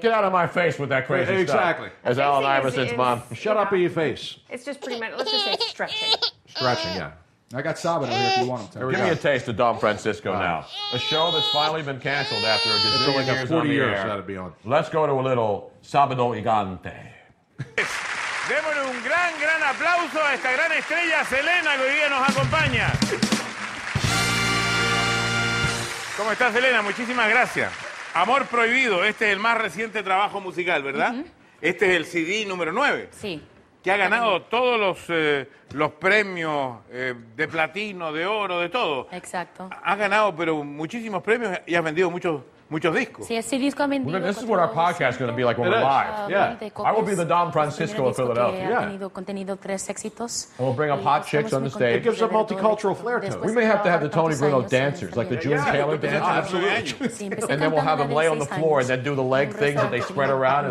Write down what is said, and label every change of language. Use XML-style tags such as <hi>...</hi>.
<en>Get out of my face with that crazy stuff. Exactly. As Alan Iverson's mom. Shut up, your face. It's just pretty much, let's just say stretching. Stretching, yeah. I got Sabado here if you want him to. Give me a taste of Dom Francisco now. A show that's finally been canceled after a gazillion years. 40 years that'd be on. Let's go to a little Sabado Gigante.</en> <es>Démosle un gran, gran aplauso a esta gran estrella, Selena, que hoy día nos acompaña. ¿Cómo estás, Selena? Muchísimas gracias. Amor Prohibido, este es el más reciente trabajo musical, ¿verdad? Uh-huh. Este es el CD número 9. Sí. Que ha ganado todos los premios de platino, de oro, de todo. Exacto. Ha ganado, pero muchísimos premios y ha vendido muchos... Muchos discos. Sí, ese disco ha vendido.</es> <en>Well, this is what our podcast is going to be like when we're live. Yeah. I will be the Don Francisco of Philadelphia.</en> <es>Yeah. Contenido tres éxitos.</es> <en>And we'll bring up hot chicks on the stage. It gives a multicultural flair to it. We may have to have the Tony Bruno dancers, like the June Taylor dancers. Absolutely. And then we'll have them lay on the floor and then do the leg things that they spread around.</en>